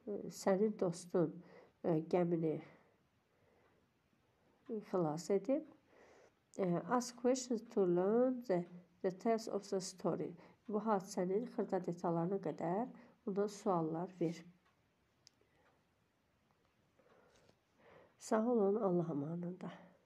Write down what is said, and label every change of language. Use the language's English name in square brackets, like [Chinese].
[Azerbaijani] Sənin dostun gəmini xilas edib. [English] Ask questions to learn the details of the story. [Azerbaijani] Bu hadisənin xırda detallarına qədər ondan suallar ver. Sağ olun, Allah'ın adında.